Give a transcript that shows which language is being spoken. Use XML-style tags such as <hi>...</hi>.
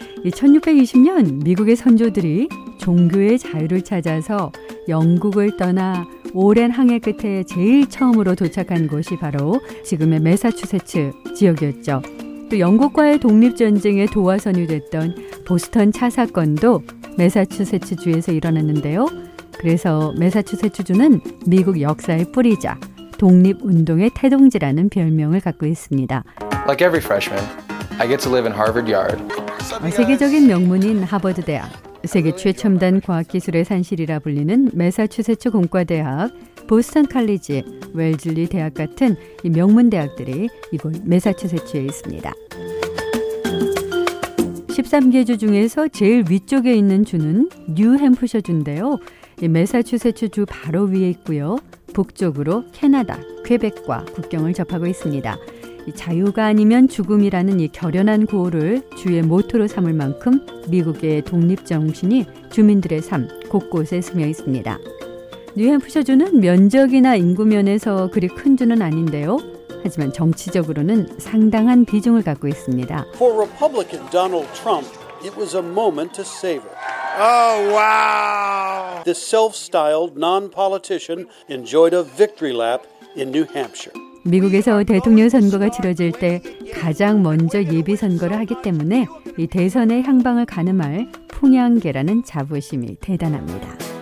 <ko>1620년 미국의 선조들이 종교의 자유를 찾아서 영국을 떠나 오랜 항해 끝에 제일 처음으로 도착한 곳이 바로 지금의 매사추세츠 지역이었죠. 또 영국과의 독립전쟁의 도화선이 됐던 보스턴 차사건도 매사추세츠주에서 일어났는데요. 그래서 매사추세츠주는 미국 역사의 뿌리자 독립운동의 태동지라는 별명을 갖고 있습니다.</ko> <en>Like every freshman, I get to live in Harvard Yard.</en> <ko>세계적인 명문인 하버드대학, 세계 최첨단 과학기술의 산실이라 불리는 매사추세츠 공과대학, 보스턴 칼리지, 웰즐리 대학 같은 이 명문 대학들이 이곳 매사추세츠에 있습니다. 13개 주 중에서 제일 위쪽에 있는 주는 뉴햄프셔 주인데요. 이 매사추세츠 주 바로 위에 있고요. 북쪽으로 캐나다, 퀘벡과 국경을 접하고 있습니다. 이 자유가 아니면 죽음이라는 이 결연한 구호를 주의 모토로 삼을 만큼 미국의 독립정신이 주민들의 삶 곳곳에 스며 있습니다. 뉴햄프셔주는 면적이나 인구면에서 그리 큰 주는 아닌데요. 하지만 정치적으로는 상당한 비중을 갖고 있습니다.</ko> <en>For Republican Donald Trump, it was a moment to savor. Oh, wow! The self-styled non-politician enjoyed a victory lap in New Hampshire.</en> <ko>미국에서 대통령 선거가 치러질 때 가장 먼저 예비선거를 하기 때문에 이 대선의 향방을 가늠할 풍향계라는 자부심이 대단합니다.</ko>